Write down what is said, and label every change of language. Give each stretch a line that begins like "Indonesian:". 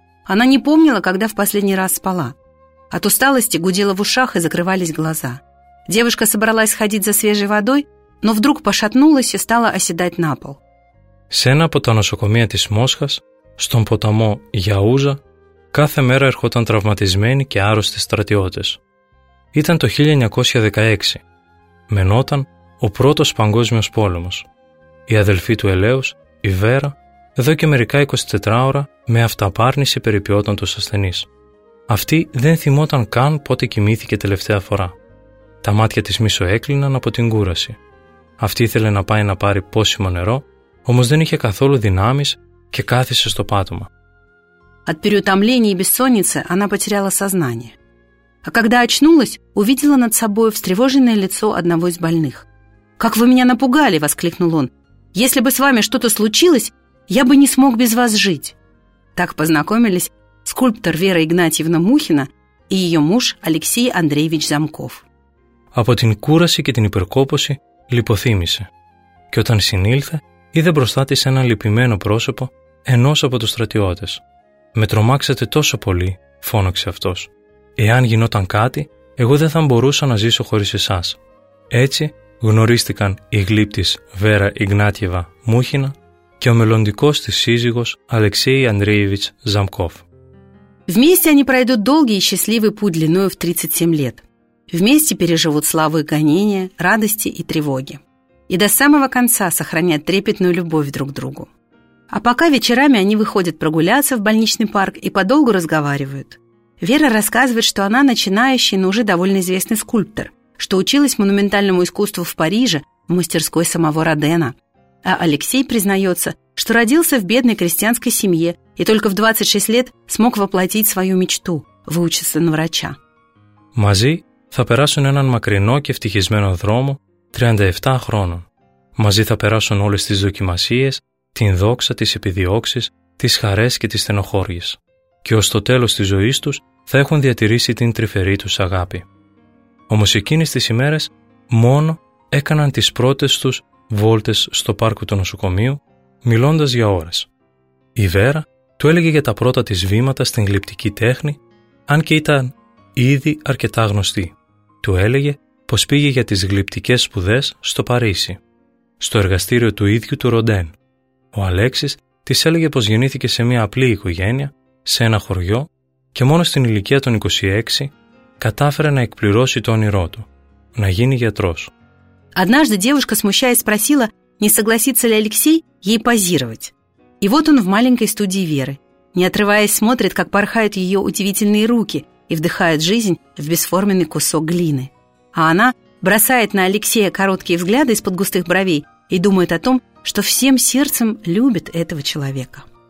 Russian: Она не помнила, когда в последний раз спала. От усталости гудела в ушах и закрывались глаза. Девушка собралась ходить за свежей водой, но вдруг пошатнулась и стала оседать на пол.
Greek: Σε ένα από τα νοσοκομεία της Μόσχας, στον ποταμό Γιαούζα, κάθε μέρα ερχόταν τραυματισμένοι και άρρωστοι στρατιώτες. Ήταν το 1916. Μενόταν ο πρώτος παγκόσμιος πόλεμος. Η αδελφή του Ελέους, η Βέρα, εδώ και μερικά 24 ώρα με αυταπάρνηση περιποιόταν τους ασθενείς. Αυτή δεν θυμόταν καν πότε κοιμήθηκε τελευταία φορά. Τα μάτια της μίσο έκλειναν από την κούραση. Αυτή ήθελε να πάει να πάρει πόσιμο νερό, όμως δεν είχε καθόλου δυνάμεις και κάθισε στο πάτωμα.
Russian: От переутомления и бессонницы она потеряла сознание. А когда очнулась, увидела над собой встревоженное лицо одного из больных. «Как вы меня напугали!» – воскликнул он. «Если бы с вами что-то случилось, я бы не смог без вас жить!» Так познакомились скульптор Вера Игнатьевна Мухина и ее муж Алексей Андреевич Замков.
Greek: Από την κούραση και την υπερκόπωση λιποθύμησε. Και όταν συνήλθε, είδε μπροστά της ένα λυπημένο πρόσωπο ενός από τους στρατιώτες. «Με τρομάξατε τόσο πολύ!» – φώναξε αυτός. «Εάν γινόταν κάτι, εγώ δεν θα μπορούσα να ζήσω χωρίς εσάς». Έτσι γνωρίστηκαν η γλύπτης Βέρα Ιγνάτιεβα Μούχινα και ο μελλοντικός της σύζυγος Αλεξέη Ανδρέιβιτς Ζαμκόφ.
Russian: Вместе они пройдут долгий и счастливый путь длиною в 37 лет. Вместе переживут славу и гонения, радости и тревоги. и до самого конца сохраняют трепетную любовь друг к другу. А пока вечерами они выходят прогуляться в больничный парк и подолгу разговаривают. Вера рассказывает, что она начинающий, но уже довольно известный скульптор, что училась монументальному искусству в Париже, в мастерской самого Родена. А Алексей признается, что родился в бедной крестьянской семье и только в 26 лет смог воплотить свою мечту – выучиться на врача.
Greek: Мази θα περάσουν έναν μακρινό και ευτυχισμένο δρόμο 37 χρόνων. Μαζί θα περάσουν όλες τις δοκιμασίες, την δόξα, τις επιδιώξεις, τις χαρές και τις στενοχώριες. Και ως το τέλος της ζωής τους θα έχουν διατηρήσει την τρυφερή τους αγάπη. Όμως εκείνες τις ημέρες μόνο έκαναν τις πρώτες τους βόλτες στο πάρκο του νοσοκομείου, μιλώντας για ώρες. Η Βέρα του έλεγε για τα πρώτα της βήματα στην γλυπτική τέχνη, αν και ήταν ήδη αρκετά γνωστή. Του έλεγε πως πήγε για τις γλυπτικές σπουδές στο Παρίσι, στο εργαστήριο του ίδιου του Ροντέν. Ο Αλέξης της έλεγε πως γεννήθηκε σε μια απλή οικογένεια, σε ένα χωριό και μόνο στην ηλικία των 26 κατάφερε να εκπληρώσει το όνειρό του, να γίνει γιατρός.
Russian: Однажды девушка, смущаясь, спросила, не согласится ли Алексей ей позировать. И вот он в маленькой студии Веры. Не отрываясь, смотрит, как порхают ее удивительные руки и вдыхают жизнь в бесформенный кусок глины. А она бросает на Алексея короткие взгляды из-под густых бровей и думает о том, что всем сердцем любит этого человека.